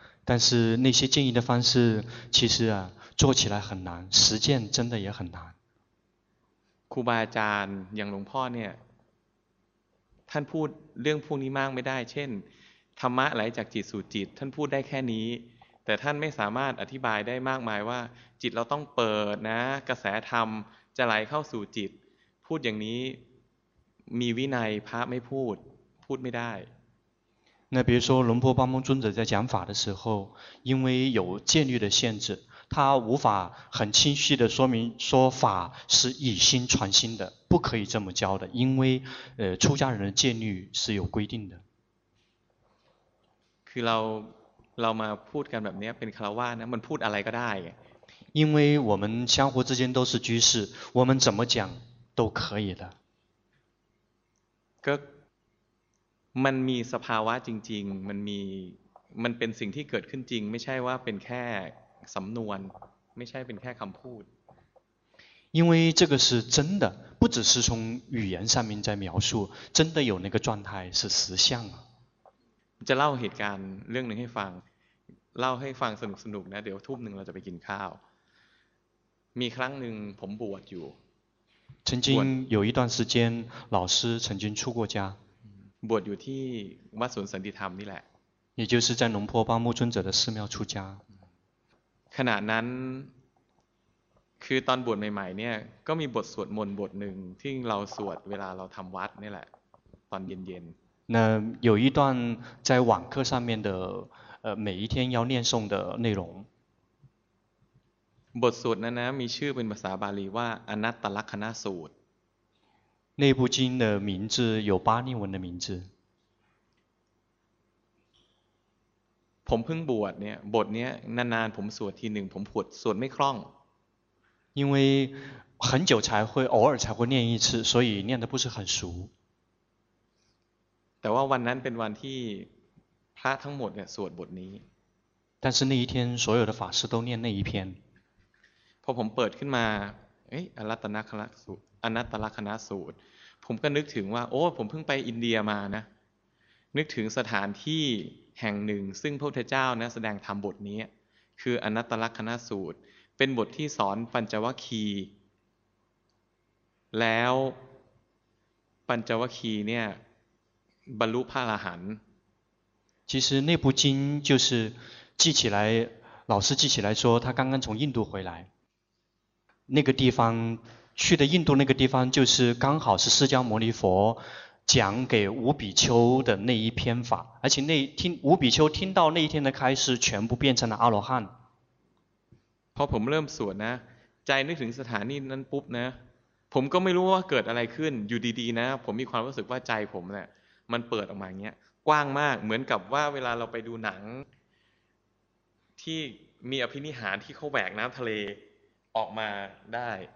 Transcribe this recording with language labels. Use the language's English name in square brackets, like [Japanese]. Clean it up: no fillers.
[Chinese] 但是那些建议的方式其实啊做起来很难实践真的也很难 [Thai] ครูบาอาจารย์อย่างหลวงพ่อเนี่ยท่านพูดเรื่องพวกนี้มากไม่ได้เช่นธรรมะไหลจากจิตสู่จิตท่านพูดได้แค่นี้แต่ท่านไม่สามารถอธิบายได้มากมายว่าจิตเราต้องเปิดนะกระแสธรรมจะไหลเข้าสู่จิตพูดอย่างนี้มีวินัยพระไม่พูดพูดไม่ได้ [Chinese] 那比如说龙婆巴蒙尊者在讲法的时候因为有戒律的限制他无法很清晰地说明说法是以心传心的不可以这么教的因为出家人的戒律是有规定的 [Thai] คือเรามาพูดกันแบบนี้เป็นคารวาสนะมันพูดอะไรก็ได้ [Chinese] 因为我们相互之间都是居士我们怎么讲都可以的 [Thai] ก็มันมีสภาวะจริงๆมันเป็นสิ่งที่เกิดขึ้นจริงไม่ใช่ว่าเป็นแค่สำนวนไม่ใช่เป็นแค่คำพูด [Chinese] 因为这个是真的不只是从语言上面在描述真的有那个状态是实相 [Thai] จะเล่าเหตุการณ์เรื่องนึงให้ฟังเล่าให้ฟังสนุกๆ นะเดี๋ยวทุ่มนึงเราจะไปกินข้าวมีครั้งนึงผมบวชอยู่ [Chinese] 曾经有一段时间老师曾经出过家 [Thai] บวชอยู่ที่วัดสวนสันติธรรมนี่แหละ [Chinese] 也就是在龙婆巴木尊者的寺庙出家 [Thai] ขณะนั้นคือตอนบวชใหม่ๆเนี่ยก็มีบทสวดมนต์บทหนึ่งที่เราสวดเวลาเราทำวัดนี่แหละตอนเย็น [Chinese] ๆ那有一段在网课上面的每一天要念诵的内容 [Thai] บทสวดนั้นนะมีชื่อเป็นภาษาบาลีว่าอนัตตลักขณสูตร [Chinese] 那部经的名字有巴利文的名字。 [Thai] ผมเพิ่งบวชเนี่ยบทเนี้ยนานๆผมสวดทีหนึ่งผมสวดไม่คล่อง [Chinese] 因为很久才会偶尔才会念一次所以念的不是很熟 [Thai] แต่ว่าวันนั้นเป็นวันที่พระทั้งหมดเนี่ยสวดบทนี้ [Chinese] 但是那一天所有的法师都念那一篇 [Thai] พอผมเปิดขึ้นมาเอ๊ะอรัตนคณะสูตรอนัตตลักขณสูตรผมก็นึกถึงว่าโอ้ผมเพิ่งไปอินเดียมานะนึกถึงสถานที่แห่งหนึ่งซึ่งพระพุทธเจ้านะแสดงธรรมบทนี้คืออนัตตลักขณสูตรเป็นบทที่สอนปัญจวัคคีย์แล้วปัญจวัคคีย์เนี่ยบรรลุพระอรหันต์ [Chinese] 其实那部经就是记起来老师记起来说他刚刚从印度回来那个地方去的印度那个地方就是刚好是释迦牟尼佛讲给五比丘的那一篇法而且那听五比丘听到那一天的开示全部变成了阿罗汉 [Thai] พอผมเริ่มสวดนะใจนึกถึงสถานีนั้นปุ๊บนะผมก็ไม่รู้ว่าเกิดอะไรขึ้นอยู่ดีๆนะผมมีความรู้สึกว่าใจผมเนี่ยมันเปิดออกมาอย่างเงี้ยกว้างมากเหมือนกับว่าเวลาเราไปดูหนังที่มีอภินิหารที่เขาแหวกน้ำทะเลออกมาได้